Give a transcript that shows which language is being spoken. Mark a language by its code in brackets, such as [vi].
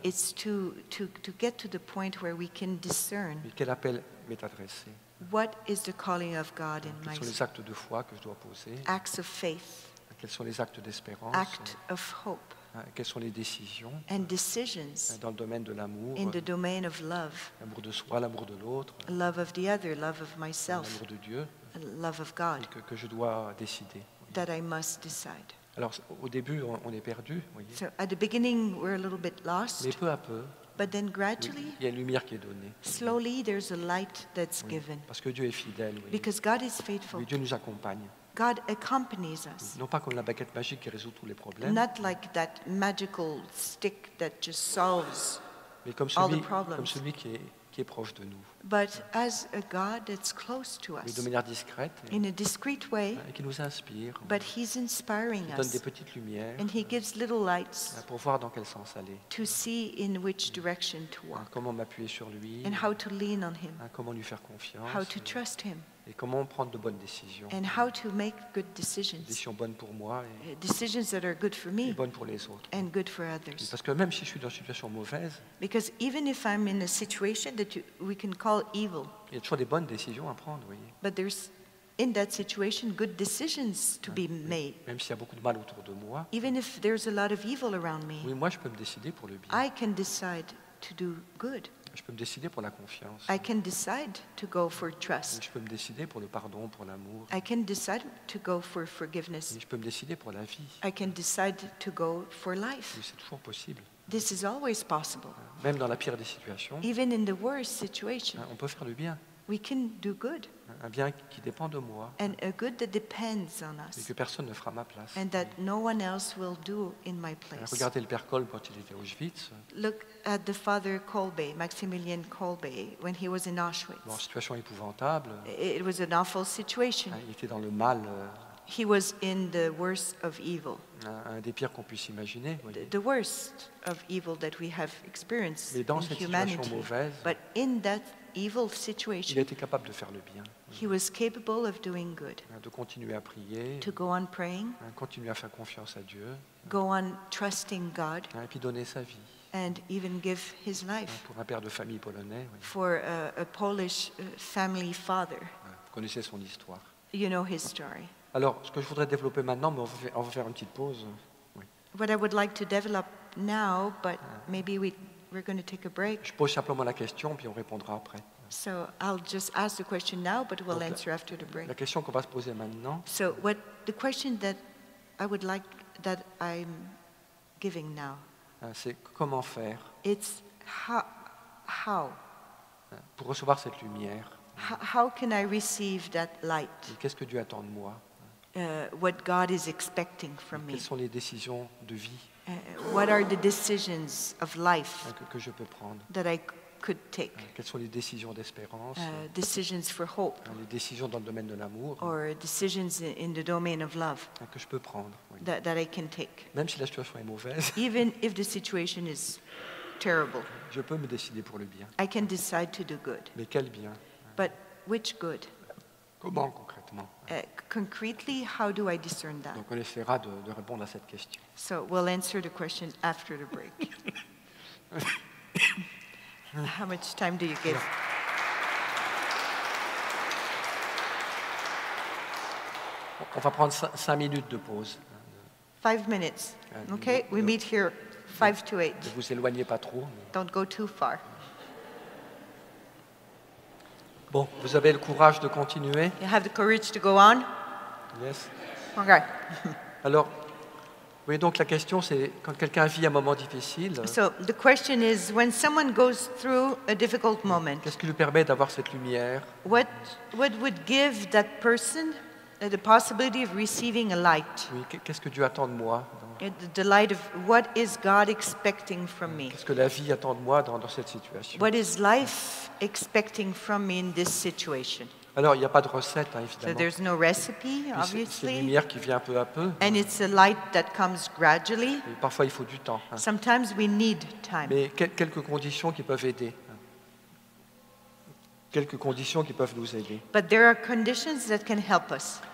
[en] It's to get to the point where we can discern. [fr] Mais quel appel m'est adressé? [en] What is the calling of God in my [fr] quels sont les actes de foi que je dois poser? [en] Acts of faith. [fr] Quels sont les actes d'espérance? [en] Act of hope. [fr] Quelles sont les décisions? [en] And decisions. [fr] Dans le domaine de l'amour. [en] In the domain of love. [fr] L'amour de soi, l'amour de l'autre. [en] Love of the other, love of myself. [fr] L'amour de Dieu. [en] Love of God. [fr] Que je dois décider. Oui. [en] That I must decide. [fr] Alors, au début, on est perdu. Oui. [en] So at the beginning, we're a little bit lost. [fr] Mais peu à peu. [en] But then gradually. [fr] Il y a une lumière qui est donnée. [en] Slowly, there's a light that's [fr] oui. [en] given. [fr] Parce que Dieu est fidèle. Oui. [en] Because God is faithful. [fr] Mais Dieu nous accompagne. [en] God accompanies us. [fr] Non pas comme la baguette magique qui résout tous les problèmes. [en] Not like that magical stick that just solves [fr] mais comme celui, [en] all the problems. [fr] Comme celui qui est proche de nous. [en] But as a God that's close to us. [fr] Mais de manière discrète. [en] In a discreet way. [fr] Et qui nous inspire. [en] But he's inspiring us. [fr] Donne des petites lumières. [en] And he gives little lights. [fr] Pour voir dans quel sens aller. [en] To see in which direction to walk. [fr] Comment m'appuyer sur lui. [en] And how to lean on him. [fr] Comment lui faire confiance. [en] How to trust him. [fr] Et comment prendre de bonnes décisions. [en] And how to make good decisions. [fr] Décisions bonnes pour moi. [en] Decisions that are good for me. [fr] Et bonnes pour les autres. [en] And good for others. [fr] Et parce que même si je suis dans une situation mauvaise. [en] Because even if I'm in a situation that we can call evil. [fr] Il y a toujours des bonnes décisions à prendre, voyez. [en] But there's in that situation good decisions to be made. [fr] Même s'il y a beaucoup de mal autour de moi. [en] Even if there's a lot of evil around me. [fr] Oui, moi je peux me décider pour le bien. [en] I can decide to do good. [fr] Je peux me décider pour la confiance. [en] I can decide to go for trust. [fr] Je peux me décider pour le pardon, pour l'amour. [en] I can decide to go for forgiveness. [fr] Je peux me décider pour la vie. [en] I can decide to go for life. [fr] Oui, c'est toujours possible. [en] This is always possible. [fr] Même dans la pire des situations. [en] Even in the worst situation. [fr] On peut faire le bien. [en] We can do good. [fr] Un bien qui dépend de moi. [en] And a good that depends on us. [fr] Et que personne ne fera ma place. [en] And that no one else will do in my place. [fr] Regardez le père Kolbe quand il était à Auschwitz. [en] Look at the father Kolbe, Maximilian Kolbe, when he was in Auschwitz. [fr] Bon, situation épouvantable. [en] It was an awful situation. [fr] Il était dans le mal. [en] He was in the worst of evil. [fr] Un des pires qu'on puisse imaginer. [en] The worst of evil that we have experienced in humanity. [fr] Mais dans cette situation mauvaise. [en] But in that evil situation. [fr] Il était capable de faire le bien. [en] He was capable of doing good. [fr] De continuer à prier. [en] To go on praying. [fr] Continuer à faire confiance à Dieu. [en] Go on trusting God. [fr] Et puis donner sa vie. [en] And even give his life. [fr] Pour un père de famille polonais. Oui. [en] For a Polish family father. [fr] Vous connaissez son histoire. [en] You know his story. [fr] Alors, ce que je voudrais développer maintenant, mais on va faire une petite pause. Oui. [en] What I would like to develop now, but maybe we're going to take a break. [fr] Je pose simplement la question, puis on répondra après. [en] So I'll just ask the question now, but we'll [fr] Donc, [en] answer after the break. [fr] La question qu'on va se poser maintenant. [en] So what the question that I would like that I'm giving now. [fr] C'est comment faire. [en] It's how. [fr] Pour recevoir cette lumière. [en] How can I receive that light? [fr] Et qu'est-ce que Dieu attend de moi? [en] What God is expecting from me. [fr] Quelles sont les décisions de vie? [en] What are the decisions of life [fr] que je peux prendre? [en] That I could take. [fr] Quelles sont les décisions d'espérance? [en] Decisions for hope. [fr] Les décisions dans le domaine de l'amour. [en] Or decisions in the domain of love. [fr] Que je peux prendre. Oui. [en] That I can take. [fr] Même si la situation est mauvaise. [en] Even if the situation is terrible. [fr] Je peux me décider pour le bien. [en] I can decide to do good. [fr] Mais quel bien? [en] But which good? [fr] Comment concrètement? [en] Concretely, how do I discern that? [fr] Donc on essaiera de répondre à cette question. [en] So we'll answer the question after the break. How much time do you give? [fr] On va prendre 5 minutes de pause. [en] 5 minutes. Okay, we meet here 5 to 8. [fr] Ne vous éloignez pas trop. [en] Don't go too far. [fr] Bon, vous avez le courage de continuer? [en] You have the courage to go on? Yes. Okay. [fr] Alors, vous voyez donc la question, c'est quand quelqu'un vit un moment difficile. [en] So the question is when someone goes through a difficult moment. [fr] Qu'est-ce qui lui permet d'avoir cette lumière? [en] What would give that person The possibility of receiving a light. [fr] Oui, qu'est-ce que Dieu attend de moi? [en] The light of what is God expecting from me? [fr] Qu'est-ce que la vie attend de moi dans cette situation? [en] What is life expecting from me in this situation? [fr] Alors, il n'y a pas de recette, hein, évidemment. [en] So there's no recipe, obviously. [fr] C'est une lumière qui vient peu à peu. [en] And it's a light that comes gradually. [fr] Et parfois, il faut du temps. Hein. [en] Sometimes we need time. [fr] Mais quelques conditions qui peuvent aider. Quelques conditions qui peuvent nous aider. [en] But there are conditions that can help us.